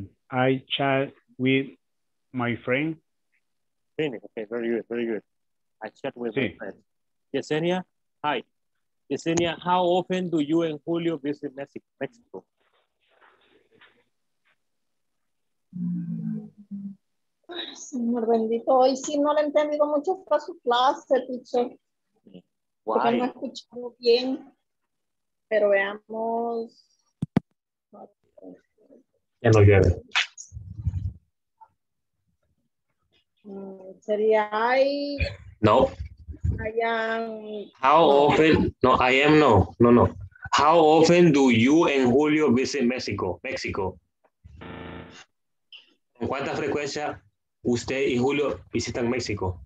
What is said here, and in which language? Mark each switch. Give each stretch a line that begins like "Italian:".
English: I chat with my friend. Okay, very good, very good. I chat with my friend. Yesenia, hi. Yesenia, how often do you and Julio visit Mexico?
Spanish: Señor bendito, hoy sí no le he entendido mucho para su clase, teacher.
English: Why?
Spanish: Porque no he escuchado bien. Pero veamos. ¿Qué nos lleve? Sería I. No.
English: I am. How often? No, I am no. No, no. How often do you and Julio visit Mexico? Mexico.
Spanish: ¿Con cuánta frecuencia usted y Julio visitan México?